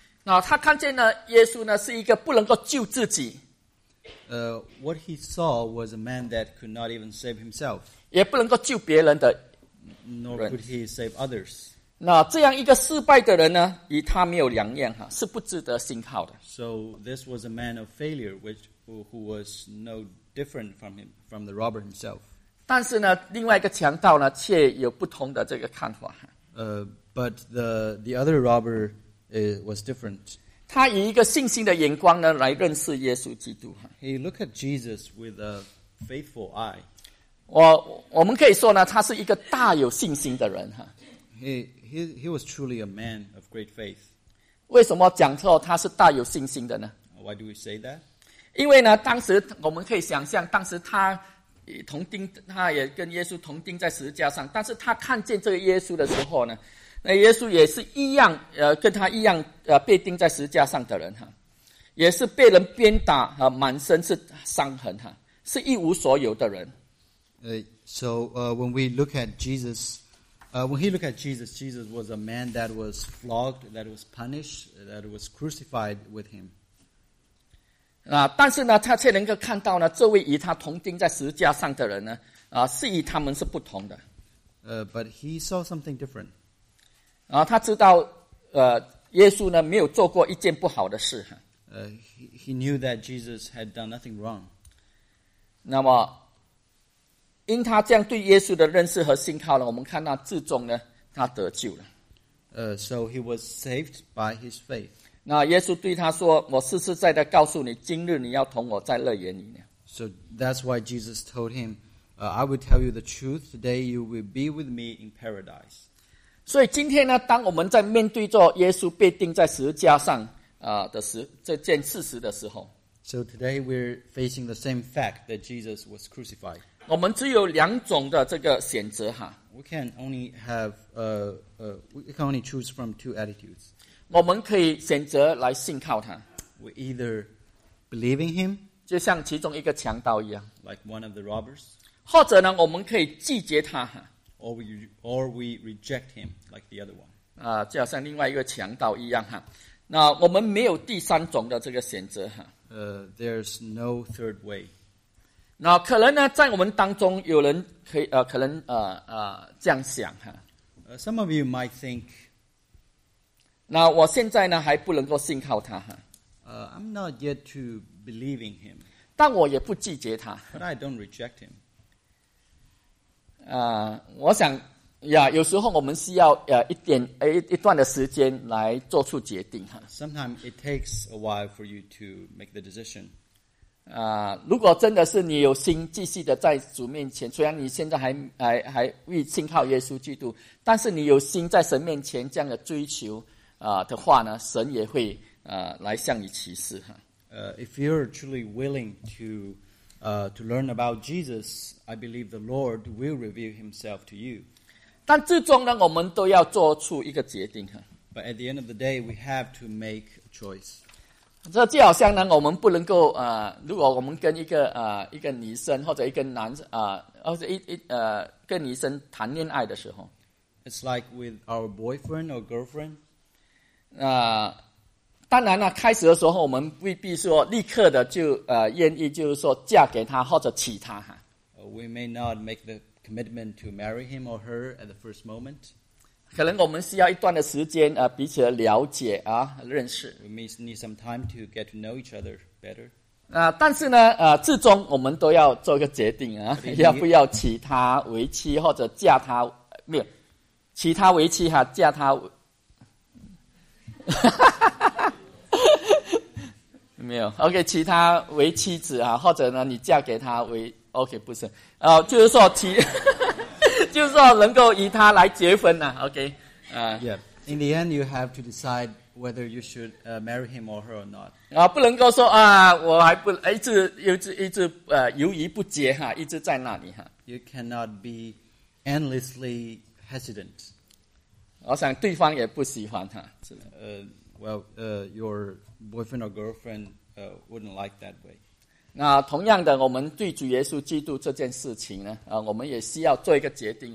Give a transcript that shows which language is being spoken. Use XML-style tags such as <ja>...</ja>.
<zh>那他看见呢耶稣呢是一个不能够救自己。</zh> <en>What he saw was a man that could not even save himself.</en> <zh>也不能够救别人的</zh> <en>nor could he save others.</en> <zh>那这样一个失败的人呢，与他没有良言哈，是不值得信靠的。</zh> <en>So this was a man of failure, who was no different from the robber himself.</en> <zh>但是呢，另外一个强盗呢，却有不同的这个看法。</zh> <en>But the other robber was different.</en> <zh>他以一个信心的眼光呢，来认识耶稣基督。</zh> <en>He looked at Jesus with a faithful eye.</en> <zh>我们可以说呢，他是一个大有信心的人哈。</zh> <en>He was truly a man of great faith.</en> <zh>为什么讲说他是大有信心的呢？</zh> <en>Why do we say that?</en> <zh>因为呢，当时我们可以想象，当时他同钉，他也跟耶稣同钉在十字架上。但是他看见这个耶稣的时候呢，那耶稣也是一样，跟他一样，被钉在十字架上的人哈，也是被人鞭打啊，满身是伤痕哈，是一无所有的人。</zh> <en>When we look at Jesus. When he looked at Jesus, Jesus was a man that was flogged, that was punished, that was crucified with him.</en> <zh>但是呢，他却能够看到呢，这位与他同钉在十字架上的人呢，是与他们是不同的。</zh> <en>But he saw something different.</en> <zh>他知道，耶稣呢没有做过一件不好的事。</zh> <en>He knew that Jesus had done nothing wrong.</en> <zh>那么。因他这样对耶稣的认识和信靠了，我们看到至终呢，他得救了。</zh> <en>So he was saved by his faith.</en> <zh>那耶稣对他说：“我实实在在告诉你，今日你要同我在乐园里呢。”</zh> <en>So that's why Jesus told him, "I will tell you the truth today. You will be with me in paradise."</en> <zh>所以今天呢，当我们在面对着耶稣被钉在十字架上这件事实的时候</zh> <en>，So today we're facing the same fact that Jesus was crucified.</en> <zh>我们只有两种的这个选择哈。</zh> <en>We can only choose from two attitudes.</en> <zh>我们可以选择来信靠他。</zh> <en>We either believe in him,</en> <zh>就像其中一个强盗一样。</zh> <en>Like one of the robbers.</en> <zh>或者呢，我们可以拒绝他哈。</zh> <en>Or we reject him, like the other one.</en> <zh>就好像另外一个强盗一样哈。那我们没有第三种的这个选择哈。</zh> <en>There's no third way.</en> <zh>那可能呢，在我们当中有人可以可能这样想哈。</zh> <en>Some of you might think.</en> <zh>那我现在呢还不能够信靠他哈。</zh> <en>I'm not yet to believe in him.</en> <zh>但我也不拒绝他。</zh> <en>But I don't reject him.</en> <zh>我想呀，有时候我们需要一段的时间来做出决定哈。</zh> <en>Sometimes it takes a while for you to make the decision.</en> <zh>如果真的是你有心继续的在主面前，虽然你现在还未信靠耶稣基督，但是你有心在神面前这样的追求的话呢，神也会来向你启示哈。</zh> <en>If you're truly willing to learn about Jesus, I believe the Lord will reveal Himself to you.</en> <zh>但最终呢，我们都要做出一个决定哈。</zh> <en>But at the end of the day, we have to make a choice.</en> <zh>这就好像呢，我们不能够如果我们跟一个女生或者一个男或者跟女生谈恋爱的时候</zh> <en>，It's like with our boyfriend or girlfriend。</en> <zh>当然了，开始的时候我们未必说立刻的就愿意就是说嫁给他或者娶他哈。</zh> <en>We may not make the commitment to marry him or her at the first moment.</en> <zh>可能我们需要一段的时间彼此的了解认识。</zh> <en>We need some time to get to know each other better.</en> <zh>但是呢最终我们都要做个决定要不要娶她为妻或者嫁她没有娶她为妻哈嫁她没有 OK 娶她为妻子或者呢你嫁给她为 OK 不是就是说娶就是说能够与他来结婚呢 ，OK，</zh> <en>Yeah. In the end, you have to decide whether you should marry him or her or not.</en> <zh>不能够说我还不一直犹豫不决哈，一直在那里哈。</zh> <en>You cannot be endlessly hesitant.</en> <zh>我想对方也不喜欢他。</zh> <en>Your boyfriend or girlfriend wouldn't like that way.</en> <zh>那同样的，我们对主耶稣基督这件事情呢，我们也需要做一个决定。</zh>